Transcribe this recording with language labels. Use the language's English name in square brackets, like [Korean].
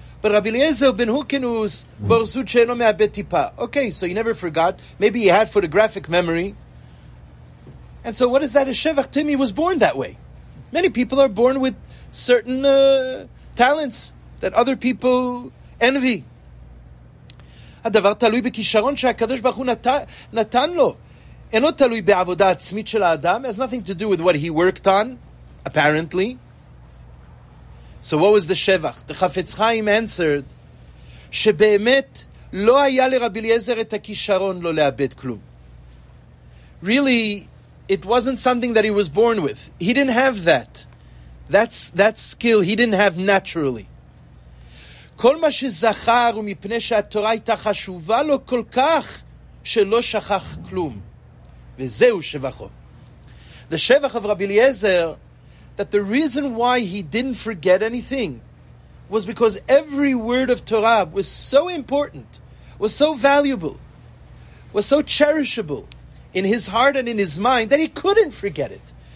[English] But Rabbi Eliezer ben Hurkanus, [Hebrew] Bor Sud She'eno Me'abed Tipa. [English] Okay, so he never forgot. Maybe he had photographic memory. And so what is that a Shevach to him? He was born that way. Many people are born with certain talents that other people envy. [Hebrew] הדבר תלוי בכישרון שהקדוש ברוך הוא נתן לו. אינו תלוי בעבודה עצמית של האדם. [English] It has nothing to do with what he worked on, apparently. So what was the Shevach? The Chafetz Chaim answered, [Hebrew] שבאמת לא היה לרבי אליעזר את הכישרון לא לאבד כלום. [English] Really, it wasn't something that he was born with. He didn't have that. That skill he didn't have naturally. [Hebrew] כל מה שזכר ומפני שהתורה הייתה חשובה לו כל כך שלא שכח כלום. וזהו שבחו. [English] The Shevach of Rabbi Eliezer, that the reason why he didn't forget anything was because every word of Torah was so important, was so valuable, was so cherishable in his heart and in his mind that he couldn't forget it.